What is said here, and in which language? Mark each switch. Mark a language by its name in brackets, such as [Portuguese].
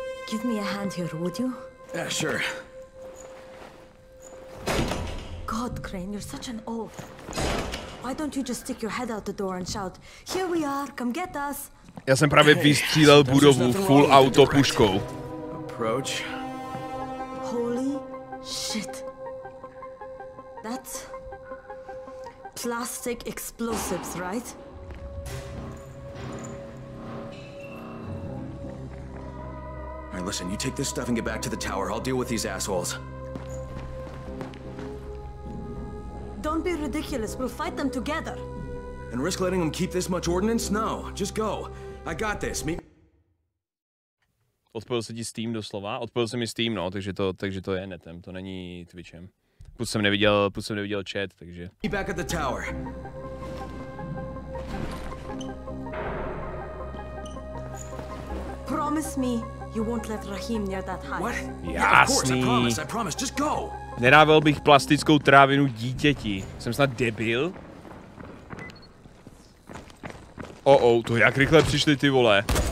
[English] Give me a hand here, would you? Yeah, sure. God, Crane, you're such an oaf. Why don't you just stick your head out the door and shout, "Here we are, come get us!" [Czech] Já jsem právě vystřílel budovu full auto puškou. [English] Approach. Holy shit. That's plastic explosives, right? Listen, you take this stuff and get back to the tower. I'll deal with these assholes. Don't be ridiculous. We'll fight them together. And risk letting them keep this much ordnance? No. Just go. I got this. Me. [Czech] Odpojil se ti Steam doslova. Odpojil se mi Steam, no, takže to je netem. To není Twitchem. Plus jsem neviděl chat, takže. [English] Be back at the tower. Promise me. You won't let Rahim near that height. What? [Czech] Jasný. [English] Yeah, of course, I promise, just go. [Czech] Nedával bych plastickou trávinu dítěti. Jsem snad debil? Oh, to jak rychle přišli ty vole.